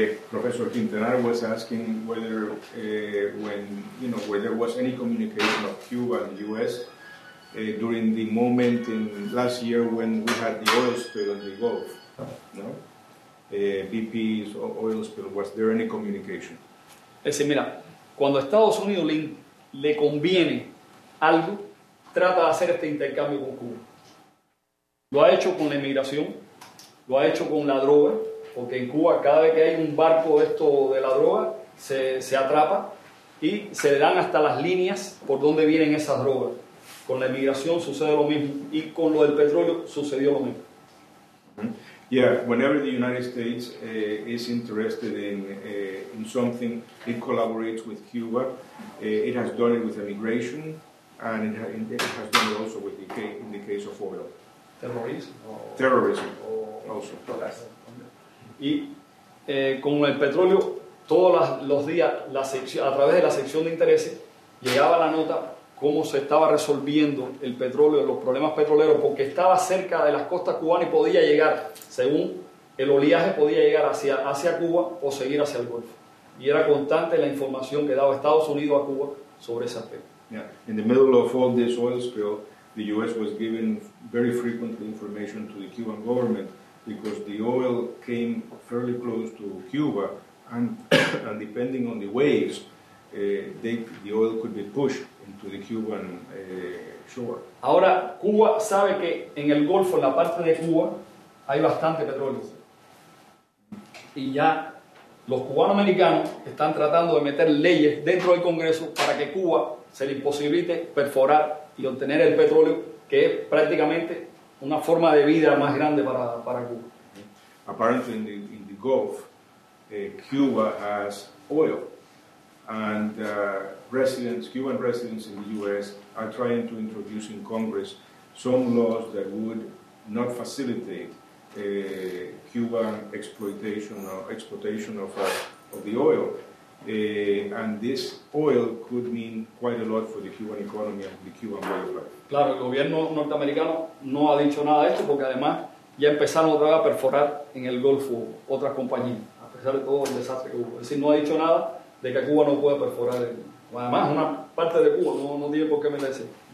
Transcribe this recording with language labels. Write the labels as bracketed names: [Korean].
[English] Professor Quintanar was asking whether, when, you know, whether was any communication of Cuba and the U.S. During the moment in last year when we had the oil spill in the Gulf, no? BP's oil spill, was there any communication? [Spanish] Es decir, mira, cuando a Estados Unidos le conviene algo, trata de hacer este intercambio con Cuba. Lo ha hecho con la inmigración, lo ha hecho con la droga, porque en Cuba cada vez que hay un barco esto de la droga, se atrapa y se le dan hasta las líneas por donde vienen esas drogas. Con la inmigración sucede lo mismo y con lo del petróleo sucedió lo mismo. [English] Yeah, whenever the United States is interested in something, it collaborates with Cuba. It has done it with immigration, and it has done it also with the case, in the case of oil. Terrorism. Also. [Spanish] Y con el petróleo, todos los días, la sección, a través de la sección de intereses, llegaba la nota cómo se estaba resolviendo el petróleo, los problemas petroleros, porque estaba cerca de las costas cubanas y podía llegar, según el oleaje, podía llegar hacia Cuba o seguir hacia el Golfo. Y era constante la información que daba Estados Unidos a Cuba sobre ese aspecto. Yeah. In the middle of all this oil spill, the U.S. was giving very frequently information to the Cuban government because the oil came fairly close to Cuba and depending on the waves, the oil could be pushed into the Cuban shore. Ahora, Cuba sabe que en el Golfo, en la parte de Cuba, hay bastante petróleo. Y ya los cubanoamericanos están tratando de meter leyes dentro del Congreso para que Cuba se le imposibilite perforar y obtener el petróleo, que es prácticamente una forma de vida más grande para Cuba. [English] Apparently in the Gulf, Cuba has oil. And residents, Cuban residents in the U.S. are trying to introduce in Congress some laws that would not facilitate Cuban exploitation of the oil. And this oil could mean quite a lot for the Cuban economy and the Cuban way of life. [Spanish] Claro, el gobierno norteamericano no ha dicho nada de esto porque además ya empezaron otra vez a perforar en el Golfo otras compañías, a pesar de todo el desastre que hubo. Es decir, no ha dicho nada de que Cuba no pueda perforar. Además, una parte de Cuba no tiene por qué meterse.